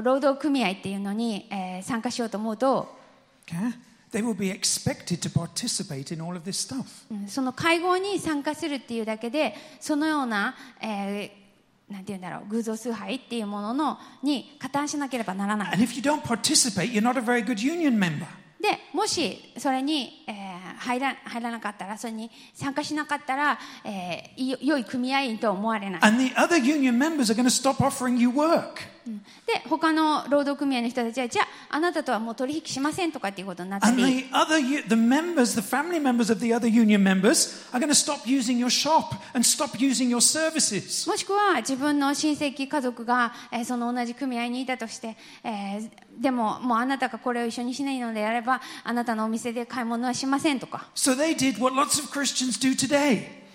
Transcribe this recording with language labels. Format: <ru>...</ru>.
<ja>労働組合っていうのに、参加しようと思うと、</ja> <en>okay? They will be expected to participate in all of this stuff.</en> <ja>その会合に参加するっていうだけで、そのような、なんていうんだろう、偶像崇拝っていうものの、に加担しなければならない。</ja> <en>And if you don't participate, you're not a very good union member.</en> <ja>で、もしそれに、入らなかったら、それに参加しなかったら、良い組合員と思われない。</ja> <en>And the other union members are going to stop offering you work.</en> <ja>で他の労働組合の人たちはじゃああなたとはもう取引しませんとかっていうことになったり、</ja> <en>the members, the family members of the other union members are going to stop using your shop and stop using your services.</en> <ja>もしくは自分の親戚家族が、その同じ組合にいたとして、でももうあなたがこれを一緒にしないのであればあなたのお店で買い物はしませんとか。</ja> <en>So they did what lots of Christians do today.</en>